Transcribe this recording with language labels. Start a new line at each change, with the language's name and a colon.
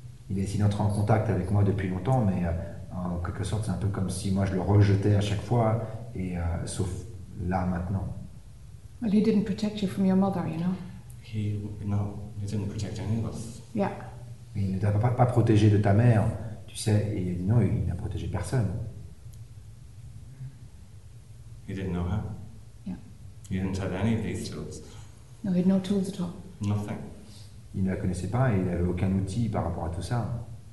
French: Il a essayé d'entrer en contact avec moi depuis longtemps, mais en quelque sorte, c'est un peu comme si moi je le rejetais à chaque fois, et sauf là maintenant.
English: Well, he didn't protect you from your mother, you know. He didn't protect any of us. Yeah.
French: Il ne t'a pas protégé de ta mère, tu sais, et il a dit non, il n'a protégé personne.
English: He didn't know her. Yeah. He didn't have any of these tools. No, he had no tools at all. Nothing.
French: Il ne la connaissait pas et il n'avait aucun outil par rapport à tout ça.